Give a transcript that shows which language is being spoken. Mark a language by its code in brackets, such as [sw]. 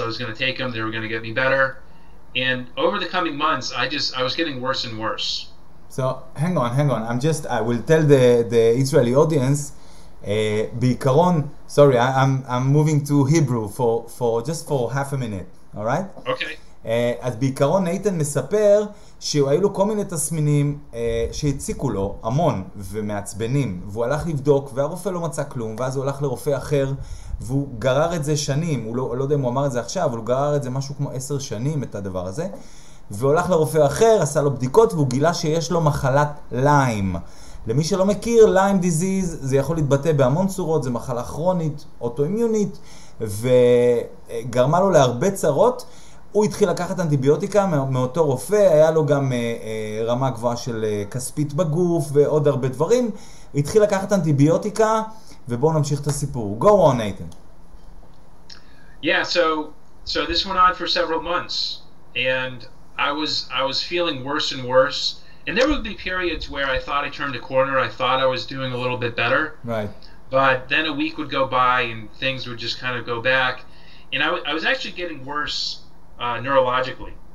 [en] I was going to take them. They were going to get me better. And over the coming months, I was getting worse and worse. So hang on. I will tell the Israeli audience, [he] בעיקרון, [en] sorry, I'm moving to Hebrew for just for half a minute, all right? Okay. [he] אז בעיקרון נייתן מספר שהיו לו כל מיני תסמינים שהציקו לו המון ומעצבנים, והוא הלך לבדוק והרופא לא מצא כלום, ואז הוא הלך לרופא אחר והוא גרר את זה שנים, הוא לא יודע אם הוא אמר את זה עכשיו, אבל הוא גרר את זה משהו כמו 10 שנים את הדבר הזה, והולך לרופא אחר, עשה לו בדיקות והוא גילה שיש לו מחלת ליים. למי שלא מכיר, ליים דיזיז זה יכול להתבטא בהמון צורות, זה מחלה כרונית, אוטואימיונית, וגרמה לו להרבה צרות. הוא התחיל לקחת אנטיביוטיקה מאותו רופא, היה לו גם רמה גבוהה של כספית בגוף ועוד הרבה דברים. התחיל לקחת אנטיביוטיקה, ובואו נמשיך את הסיפור. [en] Go on, Nathan. Yeah, so this went on for several months, and I was feeling worse and worse, and there would be periods where I thought I turned a corner, I thought I was doing a little bit better. Right. But then a week would go by and things would just kind of go back, and I was actually getting worse neurologically.